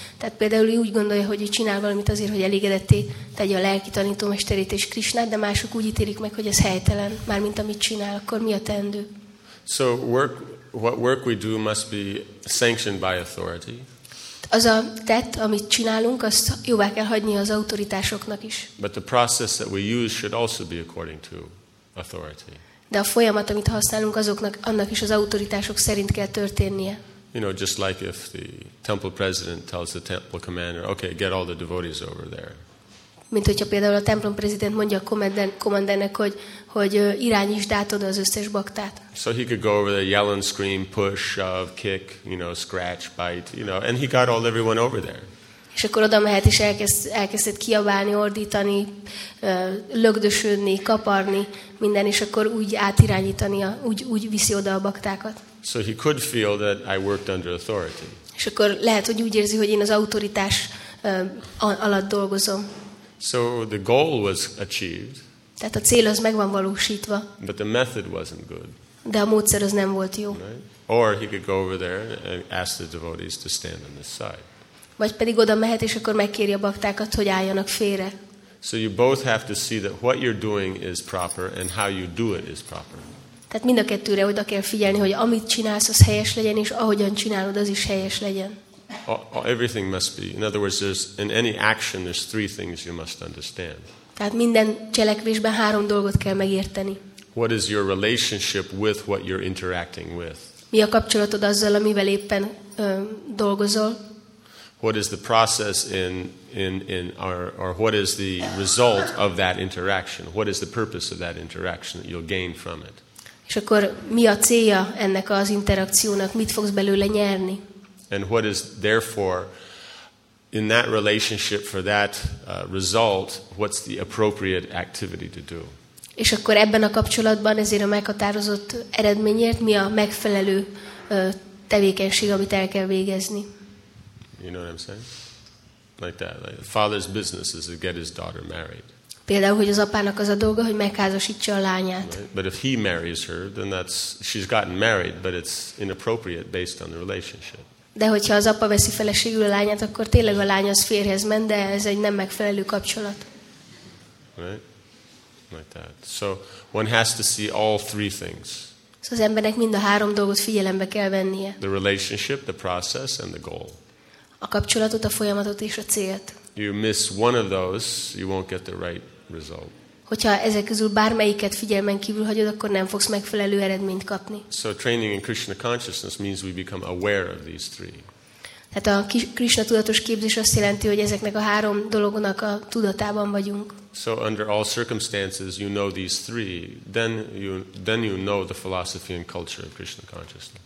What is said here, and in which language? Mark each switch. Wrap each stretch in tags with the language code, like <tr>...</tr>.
<hu>Tehát például úgy gondolja, hogy ő csinál valamit azért, hogy elégedetté tegye a lelki tanítómesterét és Krisnát, de mások úgy ítélik meg, hogy ez helytelen, mármint amit csinál, akkor mi a teendő?</hu> <en>So work, what work we do must be sanctioned by authority.</en> <hu>Az a tett, amit csinálunk, azt jóvá kell hagyni az autoritásoknak is.</hu> <en>But the process that we use should also be according to authority.</en> <hu>De a folyamat, amit használunk, azoknak, annak is az autoritások szerint kell történnie.</hu> <en>You know, just like if the temple president tells the temple commander, okay, get all the devotees over there.</en> <hu>Mint hogyha például a templom prezident mondja a komandernek, hogy irányítsd át oda az összes baktát.</hu> <en>So he could go over there, yell and scream, push, shove, kick, you know, scratch, bite, you know, and he got all everyone over there.</en> <hu>És akkor oda mehet és elkezdett kiabálni, ordítani, lögdösödni, kaparni, minden, és akkor úgy átirányítania, úgy viszi oda a baktákat.</hu> <en>So he could feel that I worked under authority.</en> <hu>És akkor lehet, hogy úgy érzi, hogy én az autoritás alatt dolgozom.</hu> <en>So the goal was achieved.</en> <hu>Tehát a cél az megvan valósítva.</hu> <en>But the method wasn't good.</en> <hu>De a módszer az nem volt jó.</hu> <en>Right? Or he could go over there and ask the devotees to stand on this side.</en> <hu>Vagy pedig oda mehet és akkor megkéri a baktákat, hogy álljanak félre.</hu> <en>So you both have to see that what you're doing is proper and how you do it is proper.</en> <hu>Tehát mind a kettőre oda kell figyelni, hogy amit csinálsz, az helyes legyen és ahogyan csinálod, az is helyes legyen.</hu> <en>Everything must be. In other words, there's in any action there's three things you must understand.</en> <hu>Tehát minden cselekvésben három dolgot kell megérteni.</hu> <en>What is your relationship with what you're interacting with?</en> <hu>Mi a kapcsolatod azzal, amivel éppen dolgozol?</hu> <en>What is the process in our what is the result of that interaction? What is the purpose of that interaction that you'll gain from it?</en> <hu>És akkor mi a célja ennek az interakciónak? Mit fogsz belőle nyerni?</hu> <en>And what is therefore in that relationship for that result, what's the appropriate activity to do?</en> <hu>És akkor ebben a kapcsolatban ezért a meghatározott eredményért mi a megfelelő tevékenység, amit el kell végezni?</hu> <en>You know what I'm saying? Like that. Like the father's business is to get his daughter married.</en> <hu>Például, hogy az apának az a dolga, hogy megházasítsa a lányát.</hu> <en>Right? But if he marries her, then that's she's gotten married, but it's inappropriate based on the relationship.</en> <hu>De hogyha az apa veszi feleségül a lányát, akkor tényleg a lány az férjhez ment, de ez egy nem megfelelő kapcsolat.</hu> <en>Right? Like that. So one has to see all three things.</en> <hu>Szóval az embernek mind a három dolgot figyelembe kell vennie.</hu> <en>The relationship, the process and the goal.</en> <hu>A kapcsolatot, a folyamatot és a célt.</hu> <en>You miss one of those, you won't get the right result.</en> <hu>Hogyha ezek közül bármelyiket figyelmen kívül hagyod, akkor nem fogsz megfelelő eredményt kapni.</hu> <en>So training in Krishna consciousness means we become aware of these three.</en> <hu>Tehát a Krishna tudatos képzés azt jelenti, hogy ezeknek a három dolognak a tudatában vagyunk.</hu> <en>So under all circumstances you know these three, then you know the philosophy and culture of Krishna consciousness.</en>